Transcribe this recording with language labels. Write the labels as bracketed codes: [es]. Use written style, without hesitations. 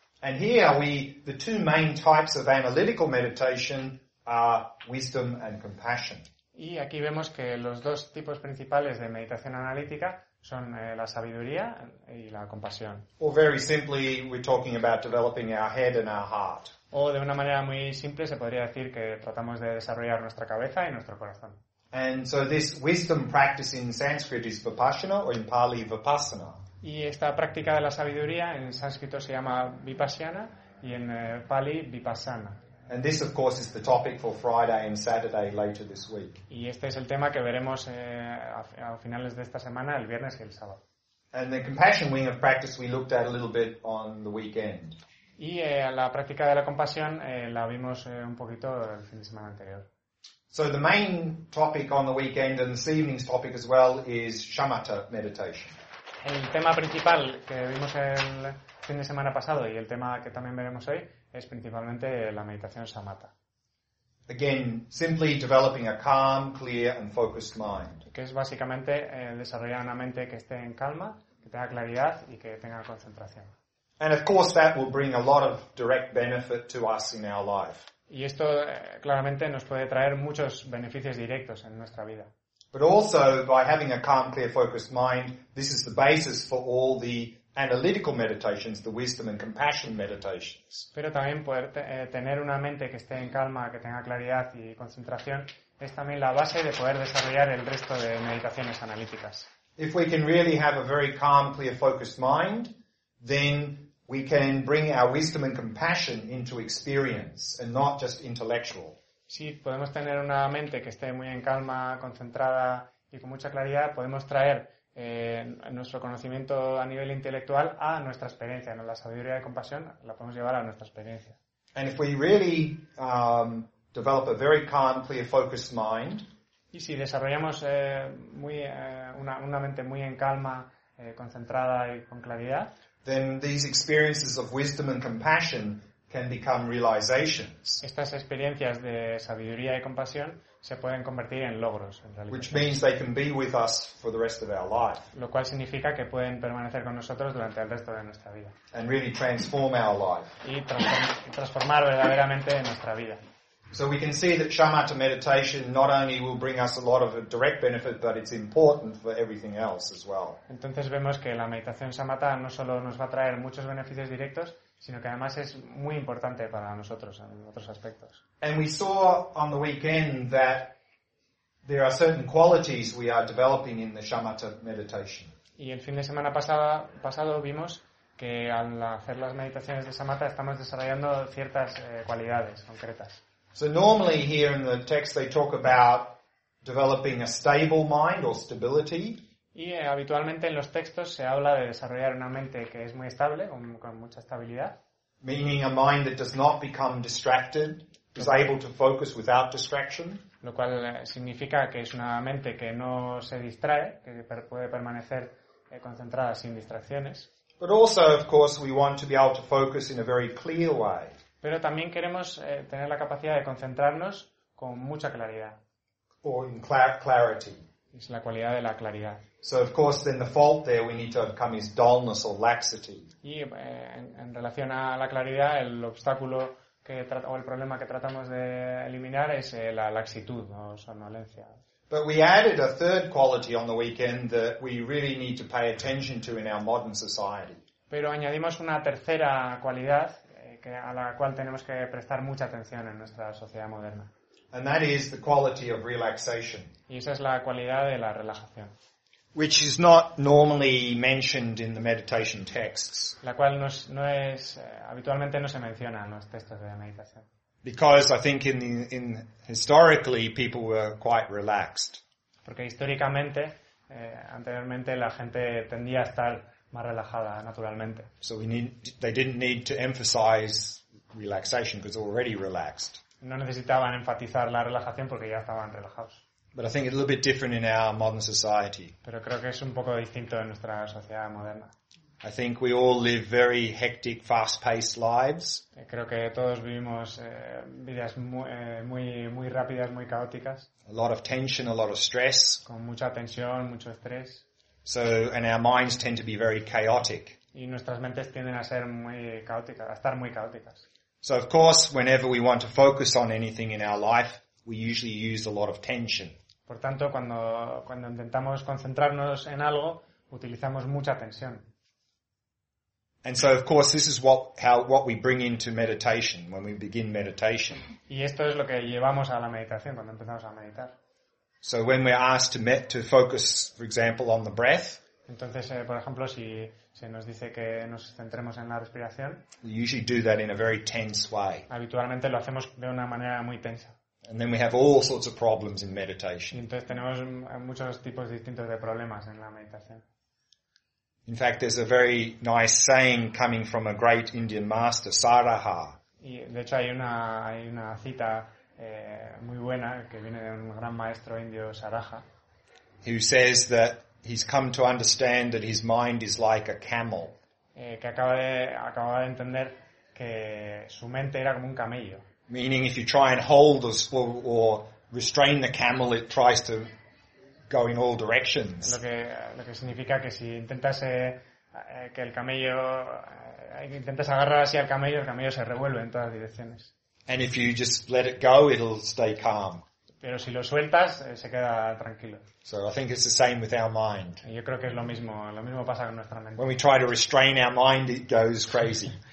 [en] And here the two main types of analytical meditation are wisdom and compassion. [es] Y aquí vemos que los dos tipos principales de meditación analítica son la sabiduría y la compasión. [en] Or very simply, we're talking about developing our head and our heart. [es] O de una manera muy simple se podría decir que tratamos de desarrollar nuestra cabeza y nuestro corazón. [en] And so this wisdom practice in Sanskrit is vipassana, or in Pali vipassana. [es] Y esta práctica de la sabiduría en sánscrito se llama vipassana y en Pali vipassana. [en] And this, of course, is the topic for Friday and Saturday later this week. [es] Y este es el tema que veremos a finales de esta semana, el viernes y el sábado. [en] And the compassion wing of practice we looked at a little bit on the weekend. [es] Y la práctica de la compasión la vimos un poquito el fin de semana anterior. [en] So the main topic on the weekend and this evening's topic as well is shamatha meditation. [es] El tema principal que vimos el fin de semana pasado y el tema que también veremos hoy es principalmente la meditación shamatha. [en] Again, simply developing a calm, clear and focused mind. [es] Que es básicamente desarrollar una mente que esté en calma, que tenga claridad y que tenga concentración. [en] And of course that will bring a lot of direct benefit to us in our life. [es] Y esto claramente nos puede traer muchos beneficios directos en nuestra vida. [en] But also by having a calm, clear, focused mind, this is the basis for all the analytical meditations, the wisdom and compassion meditations. [es] Pero también poder tener una mente que esté en calma, que tenga claridad y concentración, es también la base de poder desarrollar el resto de meditaciones analíticas. [en] If we can really have a very calm, clear, focused mind, then we can bring our wisdom and compassion into experience and not just intellectual. [es] Si podemos tener una mente que esté muy en calma, concentrada y con mucha claridad, podemos traer nuestro conocimiento a nivel intelectual a nuestra experiencia, ¿no? La sabiduría y compasión la podemos llevar a nuestra experiencia. [en] And if we really develop a very calm, clear, focused mind, [es] y si desarrollamos una mente muy en calma, concentrada y con claridad, [en] then these experiences of wisdom and compassion can become realizations. [es] Estas experiencias de sabiduría y compasión se pueden convertir en logros, en realidad. [en] Which means they can be with us for the rest of our life. [es] Lo cual significa que pueden permanecer con nosotros durante el resto de nuestra vida. [en] And really transform our life. [es] Y transformar verdaderamente nuestra vida. [en] So we can see that shamatha meditation not only will bring us a lot of a direct benefit, but it's important for everything else as well. [es] Entonces vemos que la meditación shamatha no solo nos va a traer muchos beneficios directos, sino que además es muy importante para nosotros en otros aspectos. [en] And we saw on the weekend that there are certain qualities we are developing in the shamatha meditation. [es] Y el fin de semana pasado vimos que al hacer las meditaciones de shamatha estamos desarrollando ciertas cualidades concretas. [en] So normally here in the text they talk about developing a stable mind or stability. [es] Y habitualmente en los textos se habla de desarrollar una mente que es muy estable, con mucha estabilidad. [en] Meaning a mind that does not become distracted, is able to focus without distraction. [es] Lo cual significa que es una mente que no se distrae, que puede permanecer concentrada sin distracciones. [en] But also, of course, we want to be able to focus in a very clear way. [es] Pero también queremos tener la capacidad de concentrarnos con mucha claridad. [en] Or in clarity. [es] Es la cualidad de la claridad. [en] So of course then the fault there we need to overcome is dullness or laxity. [es] Y en relación a la claridad, el obstáculo o el problema que tratamos de eliminar es la laxitud o somnolencia. [en] But we added a third quality on the weekend that we really need to pay attention to in our modern society. [es] Pero añadimos una tercera cualidad a la cual tenemos que prestar mucha atención en nuestra sociedad moderna. [en] And that is the quality of relaxation. [es] Y esa es la cualidad de la relajación. [en] Which is not normally mentioned in the meditation texts. [es] La cual habitualmente no se menciona en los textos de meditación. [en] Because I think in historically people were quite relaxed. [es] Porque históricamente, anteriormente la gente tendía a estar más relajada naturalmente. [en] So they didn't need to emphasize relaxation because they're already relaxed. [es] No necesitaban enfatizar la relajación porque ya estaban relajados. [en] But I think it's a little bit different in our modern society. [es] Pero creo que es un poco distinto en nuestra sociedad moderna. [en] I think we all live very hectic, fast-paced lives. [es] Creo que todos vivimos vidas muy muy rápidas, muy caóticas. [en] A lot of tension, a lot of stress. [es] Con mucha tensión, mucho estrés. [en] So, and our minds tend to be very chaotic. [es] Y nuestras mentes tienden a ser muy caóticas, a estar muy caóticas. [en] So, of course, whenever we want to focus on anything in our life, we usually use a lot of tension. [es] Por tanto, cuando intentamos concentrarnos en algo, utilizamos mucha tensión. [en] And so, of course, this is what we bring into meditation when we begin meditation. [es] Y esto es lo que llevamos a la meditación cuando empezamos a meditar. [en] So when we're asked to focus, for example, on the breath, [es] entonces, por ejemplo, si nos dice que nos centremos en la respiración, [en] we usually do that in a very tense way. [es] Habitualmente lo hacemos de una manera muy tensa. [en] And then we have all sorts of problems in meditation. [es] Y entonces tenemos muchos tipos distintos de problemas en la meditación. [en] In fact, there's a very nice saying coming from a great Indian master, Saraha. [es] Y de hecho hay una cita muy buena que viene de un gran maestro indio, Saraha, [en] who says that he's come to understand that his mind is like a camel, [es] que acaba de entender que su mente era como un camello, [en] meaning if you try and hold or restrain the camel, it tries to go in all directions. [es] Lo que significa que si intentas que el camello intentas agarrar así al camello, el camello se revuelve en todas direcciones. [en] And if you just let it go, it'll stay calm. [es] Pero si lo sueltas, se queda tranquilo. [en] So I think it's the same with our mind. [es] Yo creo que es lo mismo pasa con nuestra mente. [en] When we try to restrain our mind, it goes crazy.